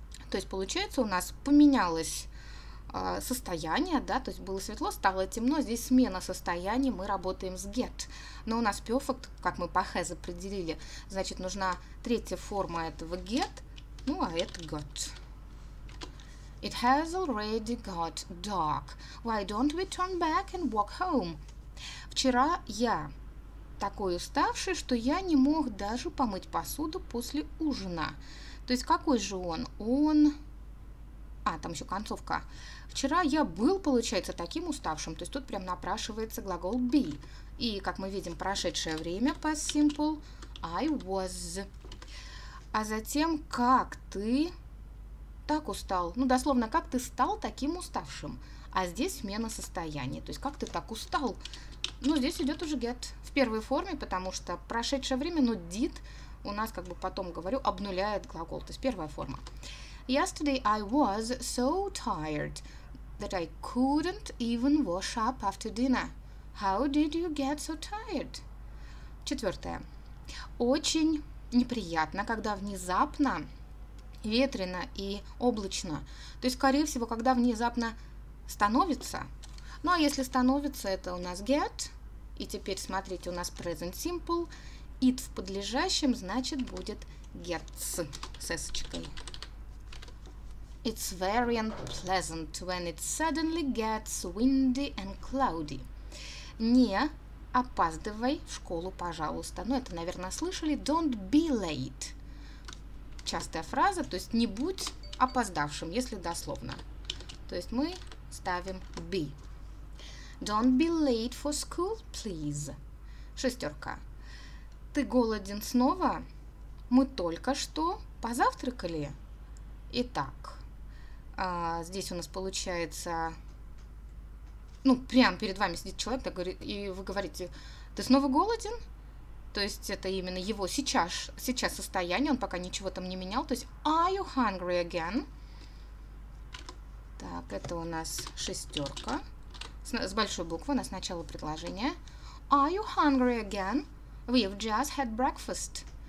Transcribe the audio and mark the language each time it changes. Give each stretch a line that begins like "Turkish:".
Russian: То есть, получается, у нас поменялось состояние, да, то есть было светло, стало темно, здесь смена состояния, мы работаем с get. Но у нас perfect, как мы по has определили, значит, нужна третья форма этого get, ну, а это got.
English: It has already got dark. Why don't we turn back and walk home?
Russian: Вчера я такой уставший, что я не мог даже помыть посуду после ужина. То есть какой же он? Он... А, там еще концовка. Вчера я был, получается, таким уставшим. То есть тут прям напрашивается глагол be. И, как мы видим, прошедшее время, past simple, I was. А затем, как ты так устал? Ну, дословно, как ты стал таким уставшим? А здесь смена состояния. То есть как ты так устал? Ну, здесь идет уже get в первой форме, потому что прошедшее время, но did у нас, как бы потом говорю, обнуляет глагол. То есть первая форма.
English: Yesterday I was so tired that I couldn't even wash up after dinner. How did you get so tired?
Russian: Четвертое. Очень неприятно, когда внезапно ветрено и облачно. То есть, скорее всего, когда внезапно становится. Ну, а если становится, это у нас get. И теперь, смотрите, у нас present simple. It в подлежащем, значит, будет gets с эсочкой.
English: It's very unpleasant when it suddenly gets windy and cloudy.
Russian: Не опаздывай в школу, пожалуйста. Ну, это, наверное, слышали.
English: Don't be late.
Russian: Частая фраза, то есть не будь опоздавшим, если дословно. То есть мы ставим be.
English: Don't be late for school, please.
Russian: Шестерка. Ты голоден снова? Мы только что позавтракали. Итак. Здесь у нас получается, ну, прямо перед вами сидит человек, и вы говорите, ты снова голоден? То есть это именно его сейчас состояние, он пока ничего там не менял. То есть,
English: are you hungry again?
Russian: Так, это у нас шестерка с большой буквы, у нас начало предложения.
English: Are you hungry again? We've just had breakfast.